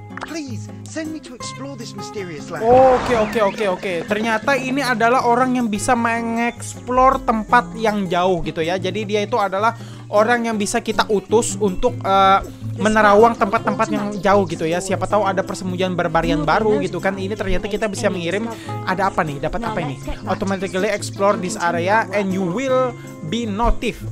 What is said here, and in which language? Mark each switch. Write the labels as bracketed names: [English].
[English] Please send me to explore this mysterious land. [Indonesian] Oke. Ternyata ini adalah orang yang bisa mengeksplor tempat yang jauh gitu ya. Jadi dia itu adalah orang yang bisa kita utus untuk menerawang tempat-tempat yang jauh gitu ya. Siapa tahu ada persembunyian barbarian baru gitu kan. Ini ternyata kita bisa mengirim. Ada apa nih? Dapat apa ini? [English] Automatically explore this area and you will be notified.